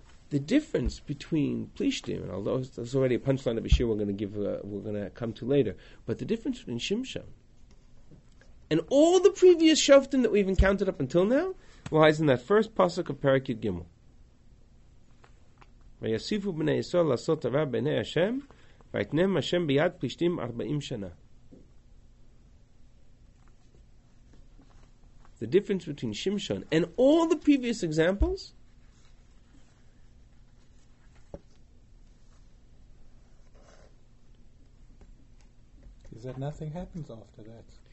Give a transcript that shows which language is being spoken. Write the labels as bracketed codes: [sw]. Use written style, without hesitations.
[en] The difference between Plishtim, and although there's already a punchline of a shir we're going to come to later, but the difference between Shimshon and all the previous Shoftim that we've encountered up until now lies in that first pasuk of Perek Yud Gimel. [he] ויוסיפו בני ישראל לעשות עבר בעיני השם, ויתנם השם ביד פלישתים 40 שנה. [en] The difference between Shimshon and all the previous examples is that nothing happens after that.